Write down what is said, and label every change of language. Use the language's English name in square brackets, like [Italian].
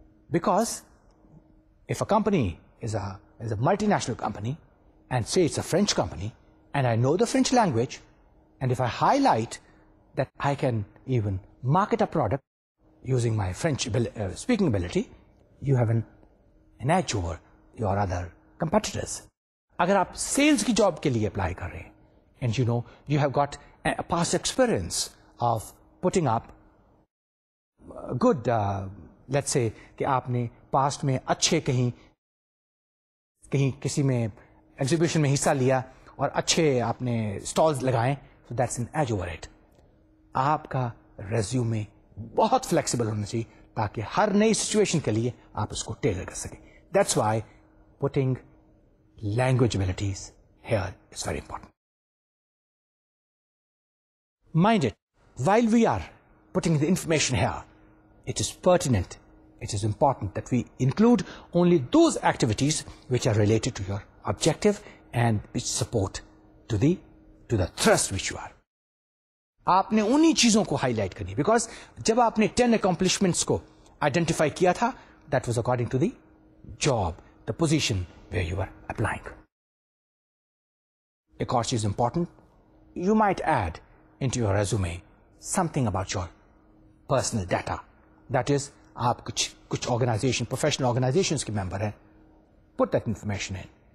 [English] Because if a company is a multinational company, and say it's a French company, and I know the French language, and if I highlight that I can even market a product using my French speaking ability, you have an edge over your other competitors. [Urdu] اگر آپ sales کی job کے لیے apply کر رہے ہیں [English] and you know you have got past experience of putting up good let's say [Urdu] کہ آپ نے پاسٹ میں اچھے کہیں کسی میں ایگزیبیشن میں حصہ لیا اور اچھے آپ نے اسٹالز لگائے, [English] So that's an edge over it. [Urdu] آپ کا ریزیومے بہت فلیکسیبل ہونا چاہیے تاکہ ہر نئی سچویشن کے لیے آپ اس کو ٹیلر کر سکیں. [English] That's why putting language abilities here is very important. Mind it, while we are putting the information here, it is pertinent, it is important that we include only those activities which are related to your objective and which support to the thrust which you are. [Urdu] آپ نے انہی چیزوں کو high light کرنی, because جب آپ نے 10 accomplishments کو آئیڈینٹیفائی کیا تھا, [English] That was according to the job, the position where you are applying. [Urdu] ایک اور چیز [English] important, you might add in to your resume something about your personal data, that is [Urdu] آپ کچھ آرگنائزیشن, پروفیشنل آرگنائزیشن کے ممبر ہیں, [English] Put that information in.